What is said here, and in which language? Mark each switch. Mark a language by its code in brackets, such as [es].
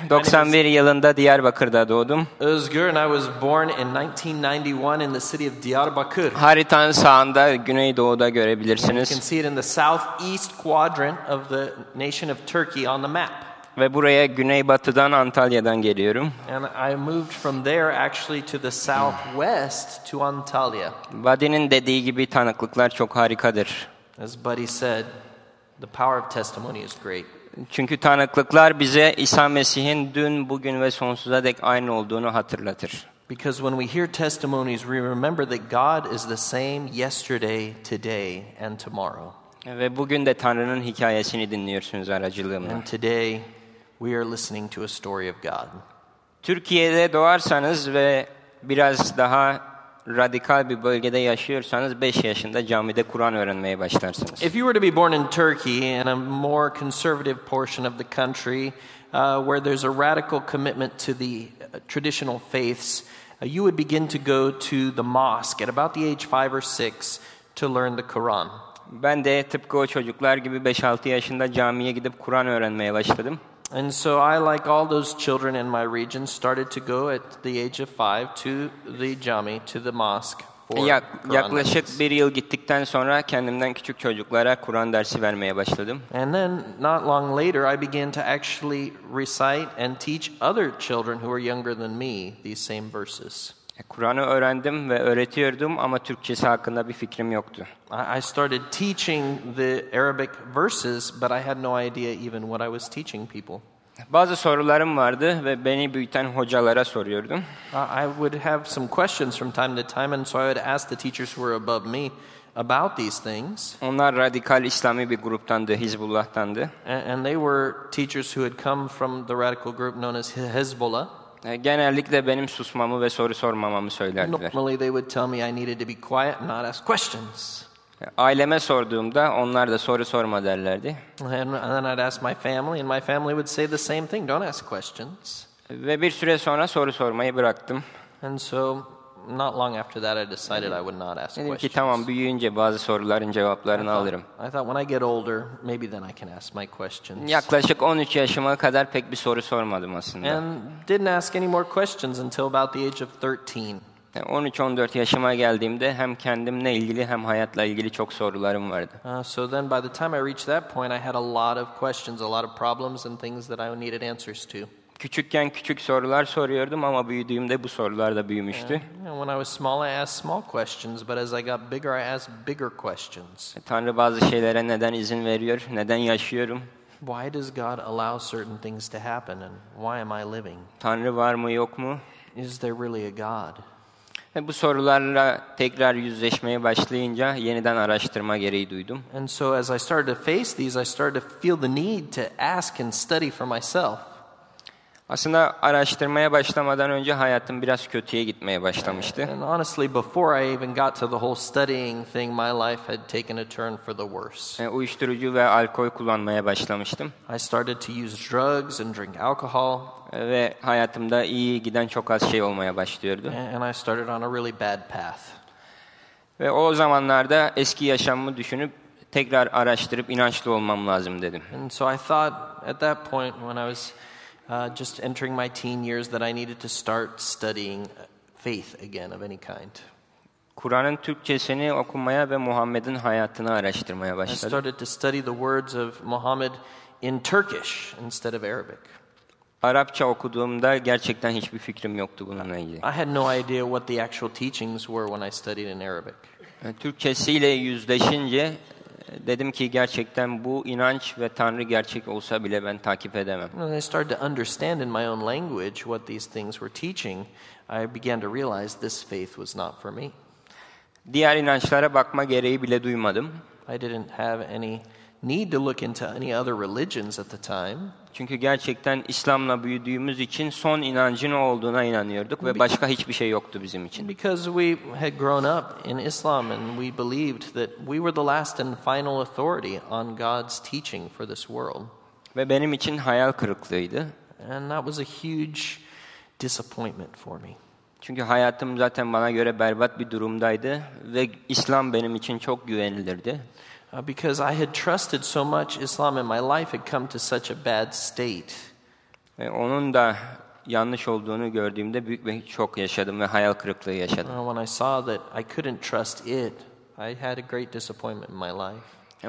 [tr] 91 yılında Diyarbakır'da doğdum. [en] Özgür and I was born in 1991 in the city of Diyarbakır. [tr] Haritanın sağında güneydoğuda görebilirsiniz. [en] You can see it in the southeast quadrant of the nation of Turkey on the map. [tr] Ve buraya güneybatıdan Antalya'dan geliyorum. [en] And I moved from there actually to the southwest to Antalya. [tr] Vadinin dediği gibi tanıklıklar çok harikadır. [en] As Buddy said, the power of testimony is great. [tr] Çünkü tanıklıklar bize İsa Mesih'in dün, bugün ve sonsuza dek aynı olduğunu hatırlatır. [en] Because when we hear testimonies, we remember that God is the same yesterday, today, and tomorrow. [tr] Ve bugün de Tanrı'nın hikayesini dinliyorsunuz aracılığımla. [en] And today, we are listening to a story of God. [tr] Türkiye'de doğarsanız ve biraz daha radikal bir bölgede yaşıyorsanız 5 yaşında camide Kur'an öğrenmeye başlarsınız. [en] If you were to be born in Turkey, in a more conservative portion of the country, where there's a radical commitment to the traditional faiths, you would begin to go to the mosque at about the age 5 or 6 to learn the Quran. [tr] Ben de tıpkı o çocuklar gibi 5-6 yaşında camiye gidip Kur'an öğrenmeye başladım. [en] And so I, like all those children in my region, started to go at the age of 5 to the cami, to the mosque for Quran. [tr] Yaklaşık bir yıl gittikten sonra kendimden küçük çocuklara Kur'an dersi vermeye başladım. [en] And then, not long later, I began to actually recite and teach other children who are younger than me these same verses. [tr] Kur'an'ı öğrendim ve öğretiyordum ama Türkçesi hakkında bir fikrim yoktu. [en] I started teaching the Arabic verses, but I had no idea even what I was teaching people. [tr] Bazı sorularım vardı ve beni büyüten hocalara soruyordum. [en] I would have some questions from time to time, and so I would ask the teachers who were above me about these things. [tr] Onlar radikal İslami bir gruptandı, Hizbullah'tandı. [en] And they were teachers who had come from the radical group known as Hezbollah. [tr] Genellikle benim susmamı ve soru sormamamı söylerdiler. [en] Normally they would tell me I needed to be quiet and not ask questions. [tr] Aileme sorduğumda onlar da soru sorma derlerdi. [en] And then I'd ask my family and my family would say the same thing, don't ask questions. [tr] Ve bir süre sonra soru sormayı bıraktım. [en] And so not long after that I decided I would not ask questions. [tr] Dedim ki tamam, büyüyünce bazı soruların cevaplarını alırım. [en] I thought when I get older maybe then I can ask my questions. [tr] Yaklaşık 13 yaşıma kadar pek bir soru sormadım aslında. [en] And didn't ask any more questions until about the age of 13. [tr] 13-14 yaşıma geldiğimde hem kendimle ilgili hem hayatla ilgili çok sorularım vardı. [en] So then by the time I reached that point I had a lot of questions, a lot of problems and things that I needed answers to. [tr] Küçükken küçük sorular soruyordum ama büyüdüğümde bu sorular da büyümüştü. [en] When I was small, I asked small questions, but as I got bigger, I asked bigger questions. [tr] Tanrı bazı şeylere neden izin veriyor? Neden yaşıyorum? [en] Why does God allow certain things to happen, and why am I living? [tr] Tanrı var mı yok mu? [en] Is there really a God? [tr] Bu sorularla tekrar yüzleşmeye başlayınca yeniden araştırma gereği duydum. [en] And so as I started to face these, I started to feel the need to ask and study for myself. [tr] Aslında araştırmaya başlamadan önce hayatım biraz kötüye gitmeye başlamıştı. [en] And honestly, before I even got to the whole studying thing, my life had taken a turn for the worse. [tr] Uyuşturucu ve alkol kullanmaya başlamıştım. [en] I started to use drugs and drink alcohol. [tr] Ve hayatımda iyi giden çok az şey olmaya başlıyordu. [en] And I started on a really bad path. [tr] Ve o zamanlarda eski yaşamımı düşünüp tekrar araştırıp inançlı olmam lazım dedim. [en] And so I thought at that point when I was just entering my teen years that I needed to start studying faith again of any kind. [tr] Kur'an'ın Türkçesini okumaya ve Muhammed'in hayatını araştırmaya başladım. [en] I started to study the words of Muhammad in Turkish instead of Arabic. [tr] Arapça okuduğumda gerçekten hiçbir fikrim yoktu bununla ilgili. [en] I had no idea what the actual teachings were when I studied in Arabic. [tr] Türkçesiyle yüzleşince dedim ki gerçekten bu inanç ve Tanrı gerçek olsa bile ben takip edemem. [en] When I started to understand in my own language what these things were teaching, I began to realize this faith was not for me. [tr] Diğer inançlara bakma gereği bile duymadım. [en] I didn't have any need to look into any other religions at the time. [tr] Çünkü gerçekten İslam'la büyüdüğümüz için son inancın olduğuna inanıyorduk ve başka hiçbir şey yoktu bizim için. [en] Because we had grown up in Islam and we believed that we were the last and final authority on God's teaching for this world. [tr] Ve benim için hayal kırıklığıydı. [en] And that was a huge disappointment for me. [tr] Çünkü hayatım zaten bana göre berbat bir durumdaydı ve İslam benim için çok güvenilirdi. [en] Because I had trusted so much Islam and my life had come to such a bad state. [tr] Onun da yanlış olduğunu gördüğümde büyük bir şok yaşadım ve hayal kırıklığı yaşadım. [en] When I saw that I couldn't trust it, I had a great disappointment in my life.